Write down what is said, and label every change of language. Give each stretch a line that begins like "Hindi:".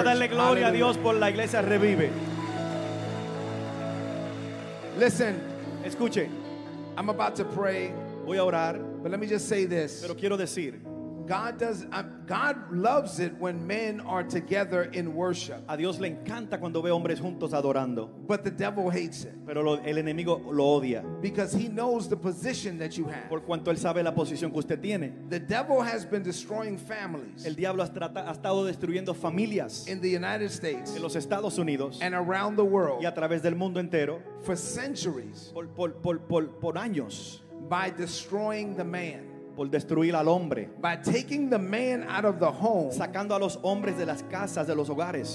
Spanish: A darle gloria Hallelujah. A Dios por la iglesia Revive.
English: Listen.
Spanish: Escuche.
English: I'm about to pray.
Spanish: Voy a orar.
English: But let me just say this.
Spanish: Pero quiero decir.
English: God loves it when men are together in worship.
Spanish: A Dios le encanta cuando ve hombres juntos adorando.
English: But the devil hates it.
Spanish: Pero el enemigo lo odia.
English: Because he knows the position that you have.
Spanish: Por cuanto él sabe la posición que usted tiene.
English: The devil has been destroying families.
Spanish: El diablo ha estado destruyendo familias.
English: In the United States.
Spanish: En los Estados Unidos.
English: And around the world.
Spanish: Y a través del mundo entero.
English: For centuries.
Spanish: Por años.
English: By destroying the man.
Spanish: Por destruir al hombre.
English: By taking the man out of the home,
Spanish: sacando a los hombres de las casas, de los hogares,